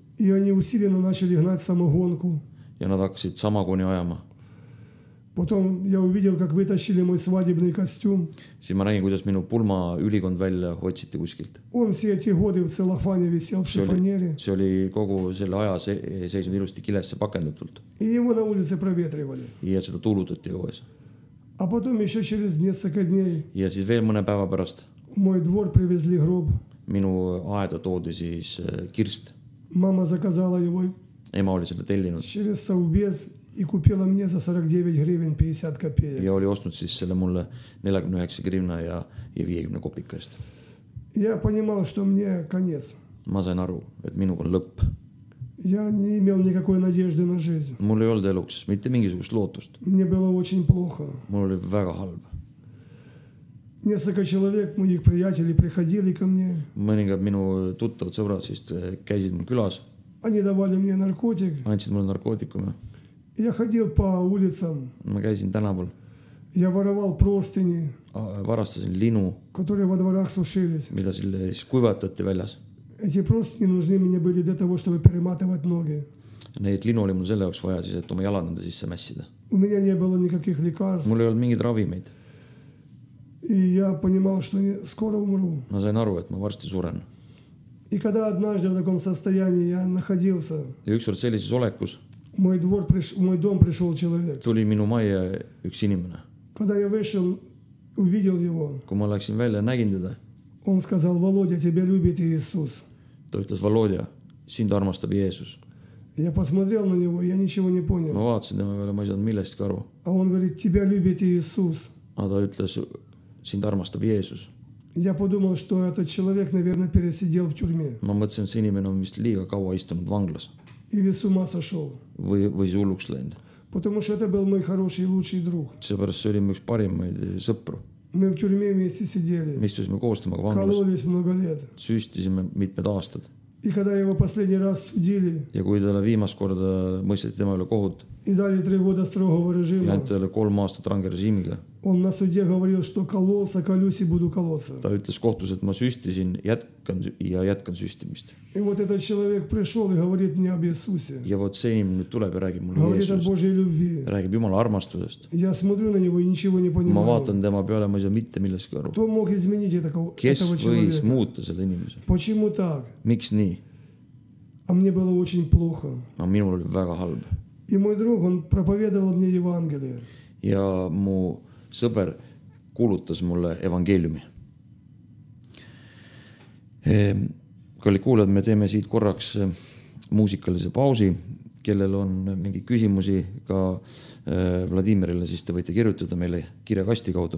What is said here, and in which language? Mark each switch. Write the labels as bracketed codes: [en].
[ru] И они усиленно начали гнать самогонку. [et] Ja nad hakkasid samagooni ajama. [ru] Потом я увидел, как вытащили мой свадебный костюм. [et] Siis ma nägin, kuidas minu pulma ülikond välja otsiti kuskilt. [ru] Он все эти годы в целлофане висел в шифонере. [et] See oli kogu selle aja seisund ilusti kilesse pakendatult. [ru] И его на улице проветривали. [et] Ja seda tuulutati õues. [ru] А потом еще через несколько дней. [et] Ja siis veel mõne päeva pärast. [ru] Мой двор привезли гроб. [et] Minu aeda toodi siis kirst. [ru] Мама заказала его. [et] Ema oli selle tellinud. [ru] Через совбез. И купила мне за 49 гривен 50 копеек. [et] Я оли оснут siis selle mulle 49 гривна ja 50 копика eest. [ru] Я понимал, что мне конец. [et] Ma sain aru, et minuga on lõpp. [ru] Я не имел никакой надежды на жизнь. [et] Mul ei olnud eluks mitte mingisugust lootust. [ru] Мне было очень плохо. [et] Mul oli väga halb. [ru] Несколько человек, моих приятелей, приходили ко мне. [et] Mõningad minu tuttavad sõbrad siis käisid mul külas. [ru] Они давали мне наркотик. [et] Andsid mulle narkootikume. [ru] Я ходил по улицам. [et] Ma käisin tänaval. [ru] Я воровал простыни. [et] Varastasin linu. [ru] Которые во дворах сушились. [et] Mida siis kuivatati väljas. [ru] Эти простыни нужны мне были для того, чтобы перематывать ноги. [et] Neid linu oli mul selle jaoks vaja siis, et oma jalad nende sisse mässida. [ru] У меня не было никаких лекарств. [et] Mul ei olnud mingid ravimeid. [ru] И я понимал, что скоро умру. [et] Ma sain aru, et ma varsti suren. [ru] И когда однажды в таком состоянии я находился. [et] Ja ükskord sellises olekus. [ru] Мой двор пришел, мой дом пришел человек. [et] Tuli minu maja üks inimene. [ru] Когда я вышел, увидел его. [et] Kui ma läksin välja, nägin teda. [ru] Он сказал: "Володя, тебя любит Иисус". [et] Ta ütles: "Володя, sind armastab Jeesus". [ru] Я посмотрел на него, я ничего не понял. [et] Ma vaatasin tema peale, ma ei saanud millestki aru. [ru] А он говорит: "Тебя любит Иисус". [et] А ta ütles: "Sind armastab Jeesus". [ru] Я подумал, что этот человек, наверное, пересидел в тюрьме. [et] Ma mõtlesin, see inimene on vist liiga kaua istunud vanglas. [ru] Или с ума сошел. [et] Või see hulluks läinud. [ru] Потому что это был мой хороший и лучший друг. [et] Seepärast see oli üks parimaid sõpru. [ru] Me в тюрьме вместе сидели. [et] Me istusime koos temaga vanglas. [ru] Kalulis много лет. [et] Süstisime mitmed aastad. [ru] И когда его последний раз судили. [et] Ja kui talle viimast korda mõisteti tema üle kohut. [ru] И дали 3 года строгого режима. [et] Ja anti talle 3 aastat range režiimiga. [ru] Он на суде говорил, что кололся, колюсь и буду колоться. [et] Ta ütles kohtus, et ma süstisin ja jätkan süstimist. [ru] И вот этот человек пришел и говорит мне об Иисусе. [et] Ja вот see inimene nüüd tuleb ja räägib mulle Jeesusest. [ru] Говорит о Божьей любви. [et] Räägib Jumala armastusest. [ru] Я смотрю на него и ничего не понимаю. [et] Ma vaatan tema peale, ma ei saa mitte millestki aru. [ru] Кто мог изменить этого человека? [et] Kes võis muuta selle inimese? [ru] Почему так? [et] Miks nii? [ru] А мне было очень плохо. [et] А minul oli väga halb. [ru] И мой друг, он проповедовал мне Евангелие. [et] Ja mu sõber kuulutas mulle evangeeliumi. Kalli kuulajad, me teeme siit korraks muusikalise pausi. Kellel on mingi küsimusi ka Vladimirile, siis te võite kirjutada meile kirjakasti kaudu.